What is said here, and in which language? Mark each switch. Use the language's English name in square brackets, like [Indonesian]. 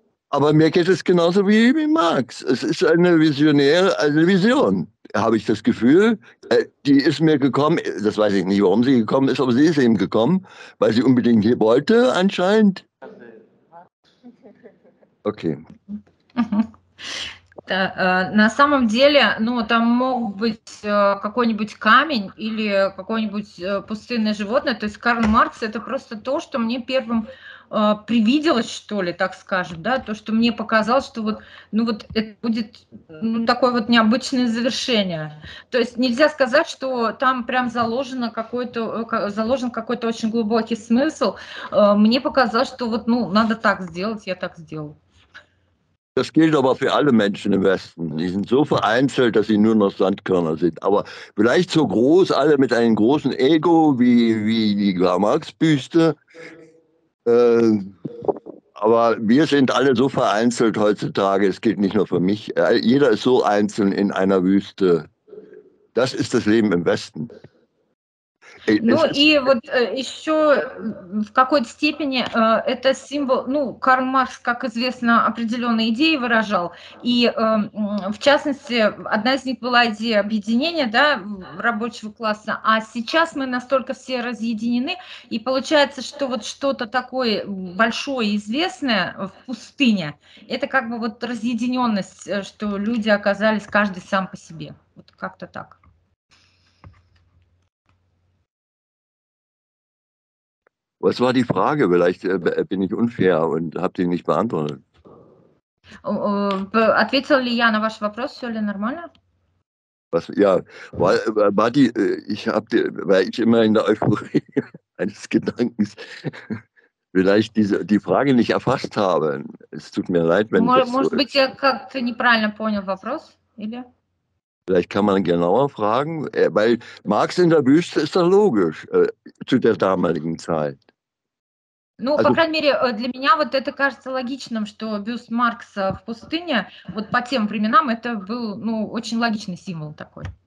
[German] Aber mir geht es genauso wie Marx. Es ist eine visionäre, eine Vision, habe ich das Gefühl. Die ist mir gekommen, das weiß ich nicht, warum sie gekommen ist, aber sie ist eben gekommen, weil sie unbedingt hier wollte, anscheinend. Okay. [Russian] Da, на самом деле, ну, там мог быть какой-нибудь камень или какое-нибудь пустынное животное. То есть Карл Маркс – это просто то, что мне первым привиделось, что ли, так скажем, да, то, что мне показалось, что вот, ну, вот это будет ну, такое вот необычное завершение. То есть нельзя сказать, что там прям заложено какой-то, заложен какой-то очень глубокий смысл. Мне показалось, что вот, ну, надо так сделать, я так сделал. [German] Das gilt aber für alle Menschen im Westen. Die sind so vereinzelt, dass sie nur noch Sandkörner sind. Aber vielleicht so groß, alle mit einem großen Ego, wie die Karl-Marx-Büste. Aber wir sind alle so vereinzelt heutzutage, es gilt nicht nur für mich. Jeder ist so einzeln in einer Wüste. Das ist das Leben im Westen. [Russian] Ну и вот еще в какой-то степени это символ, ну Карл Маркс, как известно, определенные идеи выражал, и в частности одна из них была идея объединения, да, рабочего класса, а сейчас мы настолько все разъединены, и получается, что вот что-то такое большое, известное в пустыне, это как бы вот разъединенность, что люди оказались каждый сам по себе, вот как-то так. [German] Was war die Frage? Vielleicht bin ich unfair und habe die nicht beantwortet. [Russian] Ответила ли я на ваш вопрос? Все ли нормально? [German] Was, ja, war die, ich hab die, war ich immer in der Euphorie eines Gedankens, vielleicht die Frage nicht erfasst habe. Es tut mir leid, wenn ich das [Russian] может быть, я как-то неправильно понял вопрос? Или? [German] Vielleicht kann man genauer fragen, weil Marx in der Wüste ist doch logisch zu der damaligen Zeit. [Russian] Ну, [German] also, [Russian] по крайней мере, для меня вот это кажется логичным, что бюст Маркса в пустыне, вот по тем временам, это был, ну, очень логичный символ такой.